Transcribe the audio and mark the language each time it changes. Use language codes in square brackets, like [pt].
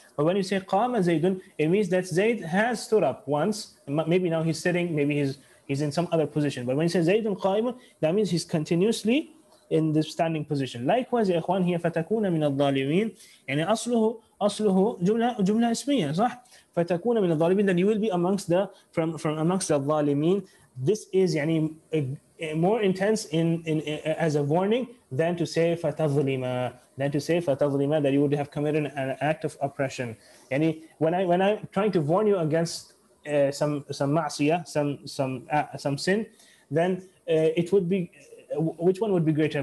[en] But when you say [ar] قام زيدٌ, [en] it means that Zayd has stood up once. Maybe now he's sitting, maybe he's in some other position. But when you say [ar] زيدٌ قائمٌ, [en] that means he's continuously in the standing position. [ar] Likewise, إخوان هي فتكون من الظالمين. يعني أصله جملة اسمية صح؟ فتكون من الظالمين. [en] Then you will be amongst the from amongst the ظالمين. This is يعني more intense in as a warning than to say [ar] فتظلم. [en] Than to say [ar] فتظلم, [en] that you would have committed an act of oppression. يعني when I'm trying to warn you against some معصية, some sin, then it would be, which one would be greater?